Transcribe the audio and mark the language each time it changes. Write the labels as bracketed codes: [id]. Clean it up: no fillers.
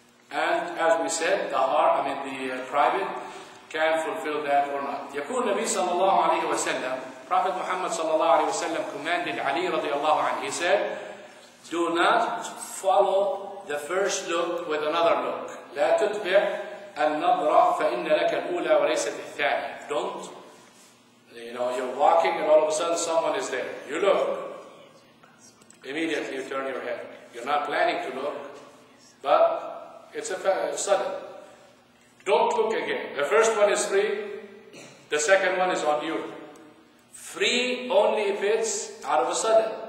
[en] And as we said, the private can fulfill that or not. [ar] يقول النبي صلى الله عليه وسلم, [en] Prophet Muhammad صلى الله عليه وسلم commanded Ali رضي الله عنه, he said, do not follow the first look with another look. [ar] لا تتبع النظرة فإن لك الأولى وليست الثانية. [en] Don't, you know, you're walking and all of a sudden someone is there. You look. Immediately you turn your head. You're not planning to look, but it's a sudden. Don't look again. The first one is free. The second one is on you. Free only if it's out of a sudden.